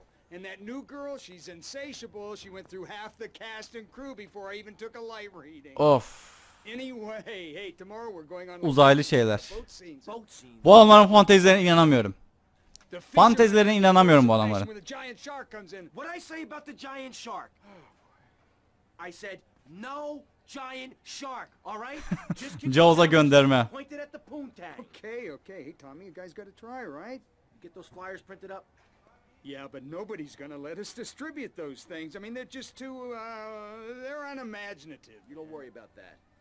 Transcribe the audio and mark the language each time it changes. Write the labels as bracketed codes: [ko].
[en] And that new girl, she's insatiable. She went through half the cast and crew before I even took a light reading. Of. Anyway, hey, tomorrow we're going on. [tr] Uzaylı şeyler. Bu adamların fantezilerine inanamıyorum. Fantezilerine inanamıyorum bu adamların. [en] What I say about the giant shark? I said no giant shark, all right? [tr] Jaws'a gönderme. [en] Okay, okay. Hey, Tommy, you guys got to try, right? Get those flyers printed up. Yeah, but nobody's gonna let us distribute those things. I mean, they're just too, they're unimaginative. You don't worry about that.